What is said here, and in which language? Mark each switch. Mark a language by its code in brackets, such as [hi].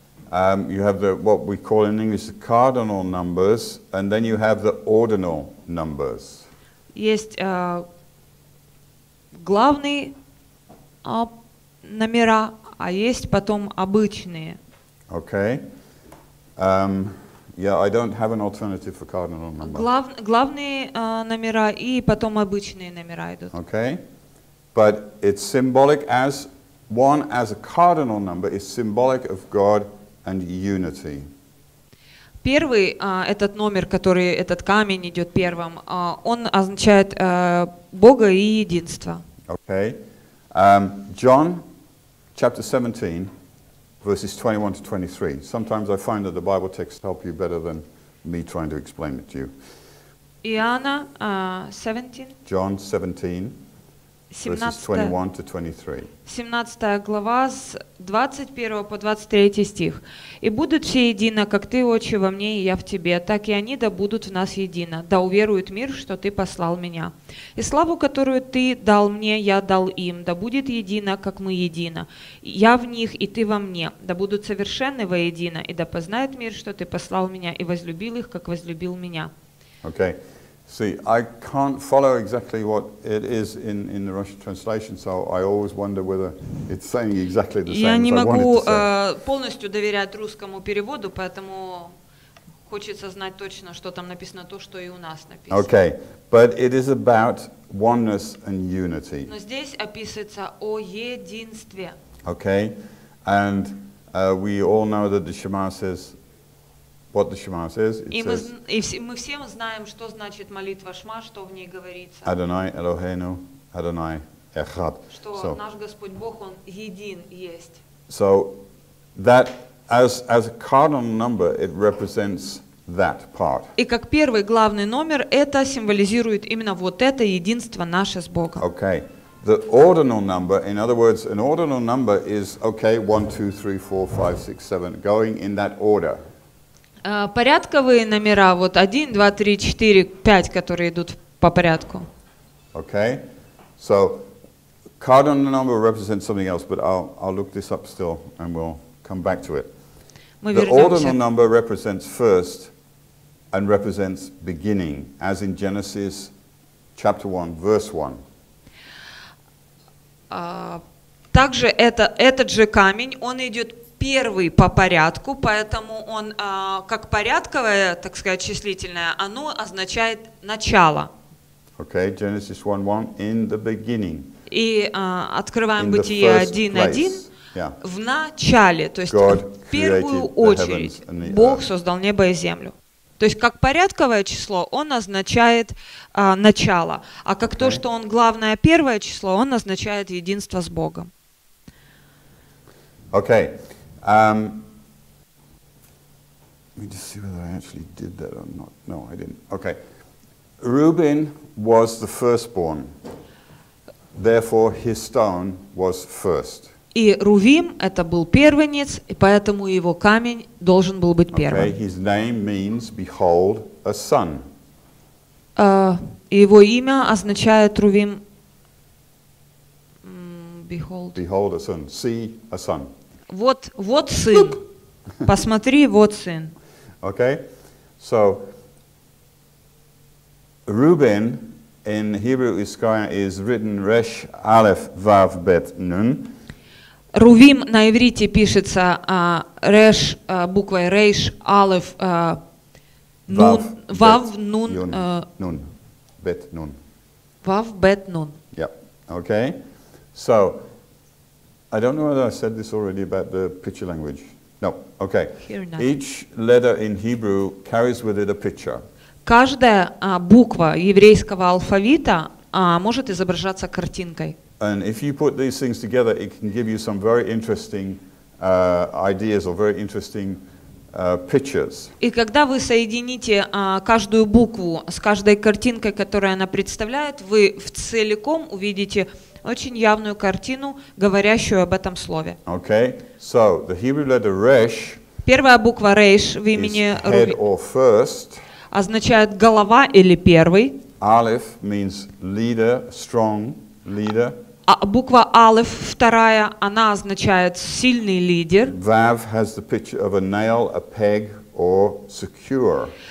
[en] You have the what we call in English the cardinal numbers, and then you have the ordinal numbers. [ru] Есть главные номера, а есть потом обычные. [en] Okay. Yeah, I don't have an alternative for cardinal number. [ru] Главные номера и потом обычные номера идут. [en] Okay. But it's symbolic as one as a cardinal number is symbolic of God and unity. [ru] Первый этот номер, который этот камень идет первым, он означает Бога и единство. [en] Okay. John chapter 17 verses 21 to 23. Sometimes I find that the Bible texts help you better than me trying to explain it to you. [ru] Иоанна 17. [en] John 17. Verses 21 to 23. [ru] 17 глава с 21 по 23 стих. «И будут все едино, как Ты, Отче, во мне, и я в Тебе, так и они да будут в нас едино, да уверует мир, что Ты послал меня. И славу, которую Ты дал мне, я дал им, да будет едино, как мы едино. Я в них, и Ты во мне, да будут совершенны воедино, и да познает мир, что Ты послал меня, и возлюбил их, как возлюбил меня». [en] Okay. See, I can't follow exactly what it is in the Russian translation, so I always wonder whether it's saying exactly the same [ru] Я [en] as [ru] не [en] I [ru] могу, [en] wanted to say. [ru] Я не могу полностью доверять русскому переводу, поэтому хочется знать точно, что там написано, то, что и у нас написано. [en] Okay, but it is about oneness and unity. [ru] Но здесь описывается о единстве. [en] Okay, and we all know that the Shema says what the Shema says. [ru] Мы все знаем, что значит молитва Шма, что в ней говорится. [he] Adonai Eloheinu, Adonai Echad. [ru] Что [en] so, [ru] наш Господь Бог, Он един есть. [en] So, that as a cardinal number, it represents that part. [ru] И как первый главный номер, это символизирует именно вот это единство наше с Богом. [en] Okay. The ordinal number, in other words, an ordinal number is, okay, 1, 2, 3, 4, 5, 6, 7, going in that order. [ru] Порядковые номера, вот 1, 2, 3, 4, 5, которые идут по порядку. [en] Okay. So, cardinal number represents something else, but I'll look this up still, and we'll come back to it. [ru] Мы [en] the ordinal number represents first and represents beginning, as in Genesis chapter 1, verse 1. [ru] Также этот же камень, он идет первый по порядку, поэтому он как порядковое, так сказать, числительное, оно означает начало. [en] Okay, Genesis 1:1 in the beginning. [ru] И открываем Бытие 1:1 [en] yeah. [ru] в начале, то есть [en] God [ru] в первую очередь Бог создал небо и землю. То есть как порядковое число он означает начало, а как [en] okay. [ru] то, что он главное первое число, он означает единство с Богом. [en] Okay. Let me just see whether I actually did that or not. No, I didn't. Okay. Reuben was the firstborn. Therefore, his stone was first. [ru] И Рувим это был первенец, и поэтому его камень должен был быть первым. [en] Okay. His name means behold a son. Его имя означает Рувим. Behold. Behold a son. See a son. [ru] Вот, вот сын. Посмотри, вот сын. [en] Okay. So Reuben in Hebrew is written resh aleph vav bet nun. [ru] Рувим на иврите пишется реш буквой рейш алеф нун вав нун нун бет нун. Вав бет нун. [en] Yeah. Okay. So I don't know whether I said this already about the picture language. No. Okay. Each letter in Hebrew carries with it a picture. [ru] Каждая буква еврейского алфавита может изображаться картинкой. [en] And if you put these things together, it can give you some very interesting ideas or very interesting pictures. [ru] И когда вы соедините каждую букву с каждой картинкой, которую она представляет, вы в целиком увидите очень явную картину, говорящую об этом слове. [en] Okay. So, the Hebrew letter resh. [ru] Первая буква resh в имени [en] head or first. [ru] Означает голова или первый. [en] Aleph means leader, strong leader. [ru] Буква aleph вторая, она означает сильный лидер. [en] Vav has the picture of a nail, a peg or secure.